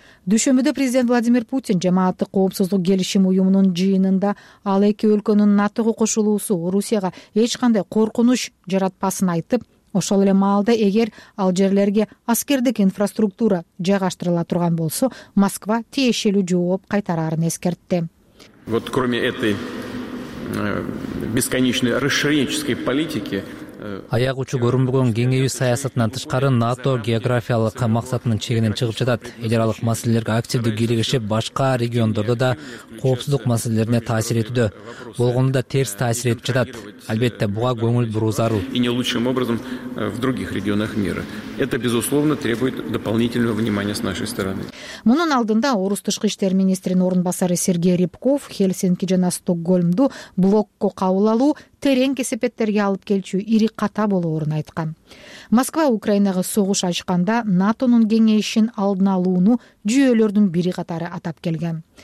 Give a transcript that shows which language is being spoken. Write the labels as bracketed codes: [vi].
[ky] Дүйшөмбүдө президент Владимир Путин жамааттык коопсуздук келишим уюмунун жыйынында ал эки өлкөнүн НАТОго кошулуусу Орусияга эч кандай коркунуч жаратпасын айтып, ошол эле маалда эгер ал жерлерге аскердик инфраструктура жайгаштырыла турган болсо, Москва тиешелүү жооп кайтарарын эскертти. [ru] Вот кроме этой бесконечной расширенческой политики [ky] аяк учу көрүнбөгөн кеңейүү саясатынан тышкары НАТО географиялык максатынын чегинен чыгып жатат. Эл аралык маселелерге активдүү киригишип, башка региондордо да коопсуздук маселелерине таасир этүүдө. Болгону да терс таасир этип жатат. Албетте, буга көңүл буруу зарыл. [ru] И не лучшим образом в других регионах мира. Это безусловно требует дополнительного внимания с нашей стороны. [ky] Мунун алдында Орус тышкы иштер министринин орун басары Сергей Рябков Хельсинки жана Стокгольмду блокко кабыл алуу терең кесепеттерге алып келчү ири ката болоорун айткан. Москва Украинага согуш ачканда НАТОнун кеңейишин алдын алууну жүйөлөрдүн бири катары атап келген.